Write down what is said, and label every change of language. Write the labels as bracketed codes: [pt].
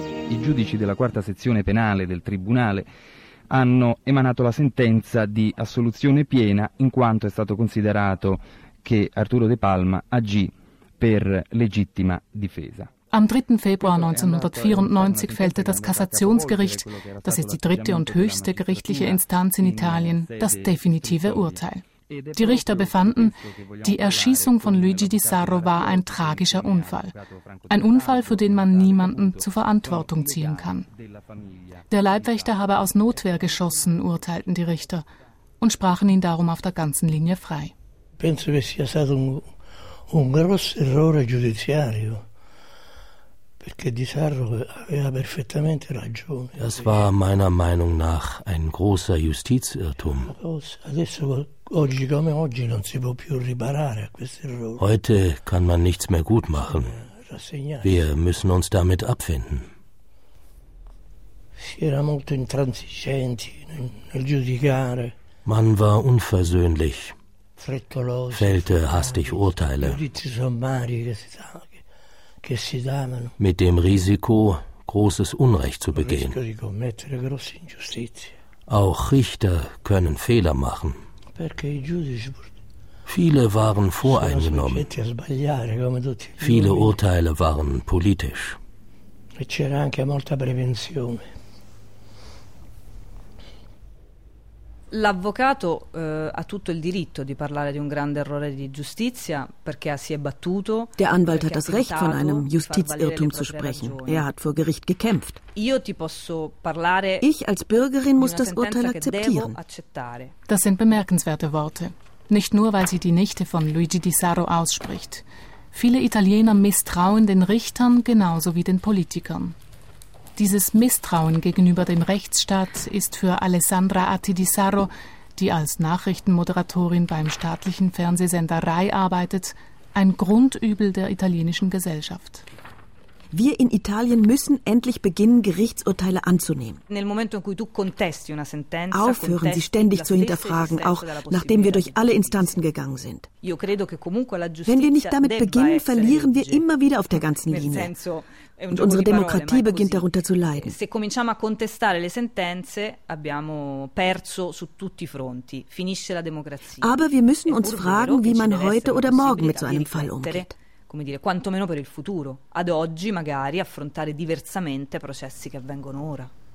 [it] I giudici della quarta sezione penale del tribunale hanno emanato la sentenza di assoluzione piena, in quanto è stato considerato che Arturo De Palma agì per legittima difesa. [de] Am 3. Februar 1994 fällte das Kassationsgericht, das ist die dritte und höchste gerichtliche Instanz in Italien, das definitive Urteil. Die Richter befanden, die Erschießung von Luigi Di Sarro war ein tragischer Unfall. Ein Unfall, für den man niemanden zur Verantwortung ziehen kann. Der Leibwächter habe aus Notwehr geschossen, urteilten die Richter, und sprachen ihn darum auf der ganzen Linie frei. [it] Penso che sia stato un grosso errore giudiziario. [de] Das war meiner Meinung nach ein großer Justizirrtum. Heute kann man nichts mehr gut machen. Wir müssen uns damit abfinden. Man war unversöhnlich, fällte hastig Urteile. Mit dem Risiko, großes Unrecht zu begehen. Auch Richter können Fehler machen. Viele waren voreingenommen. Viele Urteile waren politisch. [it] L'avvocato ha tutto il diritto di parlare di un grande errore di giustizia perché si è battuto. [de] Der Anwalt hat das Recht, von einem Justizirrtum zu sprechen. Er hat vor Gericht gekämpft. [it] Io ti posso parlare. [de] Ich als Bürgerin muss das Urteil akzeptieren. Das sind bemerkenswerte Worte. Nicht nur, weil sie die Nichte von Luigi Di Sarro ausspricht. Viele Italiener misstrauen den Richtern genauso wie den Politikern. Dieses Misstrauen gegenüber dem Rechtsstaat ist für Alessandra Atti Di Sarro, die als Nachrichtenmoderatorin beim staatlichen Fernsehsender Rai arbeitet, ein Grundübel der italienischen Gesellschaft. Wir in Italien müssen endlich beginnen, Gerichtsurteile anzunehmen. Aufhören, sie ständig zu hinterfragen, auch nachdem wir durch alle Instanzen gegangen sind. Wenn wir nicht damit beginnen, verlieren wir immer wieder auf der ganzen Linie. Und unsere Demokratie beginnt darunter zu leiden. [it] Se cominciamo a contestare le sentenze, abbiamo perso su tutti i fronti. Finisce la democrazia. [de] Aber wir müssen uns fragen, wie man heute oder morgen mit so einem Fall umgeht. [it] Come dire, quantomeno per il futuro. Ad oggi magari affrontare diversamente processi che avvengono ora.